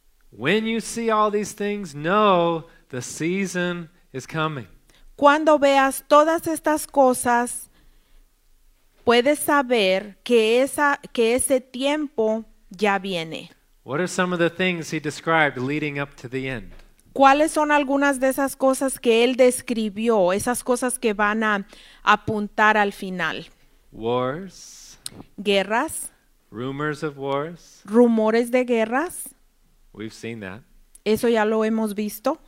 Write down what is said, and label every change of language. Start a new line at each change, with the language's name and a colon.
English: When you see all these things, know the season is coming.
Spanish: Cuando veas todas estas cosas, puedes saber que esa, que ese tiempo ya viene.
English: What are some of the things he described leading up to the end?
Spanish: ¿Cuáles son algunas de esas cosas que él describió, esas cosas que van a apuntar al final?
English: Wars.
Spanish: Guerras.
English: Rumors of wars.
Spanish: Rumores de guerras.
English: We've seen that.
Spanish: Eso ya lo hemos visto.